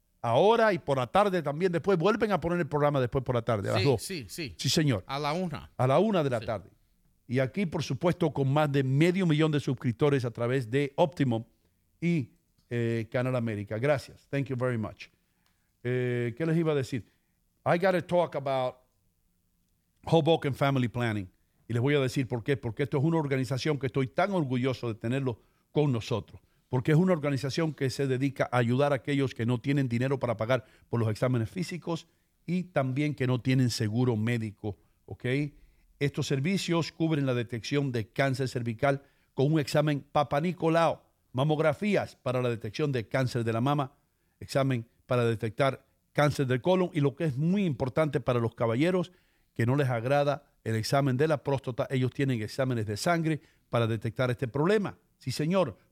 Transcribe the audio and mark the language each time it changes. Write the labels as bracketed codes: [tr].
[es] Ahora y por la tarde también. Después vuelven a poner el programa después por la tarde, a las 2. Sí, sí. Sí, señor. A la 1. A la 1 de la tarde. Y aquí, por supuesto, con más de 500,000 de suscriptores a través de Optimum y Canal América. Gracias. [en] Thank you very much. [es] ¿Qué les iba a decir? [en] I got to talk about Hoboken Family Planning. [es] Y les voy a decir por qué. Porque esto es una organización que estoy tan orgulloso de tenerlo con nosotros. Porque es una organización que se dedica a ayudar a aquellos que no tienen dinero para pagar por los exámenes físicos y también que no tienen seguro médico, ¿ok? Estos servicios cubren la detección de cáncer cervical con un examen Papanicolaou, mamografías para la detección de cáncer de la mama, examen para detectar cáncer del colon y lo que es muy importante para los caballeros que no les agrada el examen de la próstata, ellos tienen exámenes de sangre para detectar este problema. Sí, señor.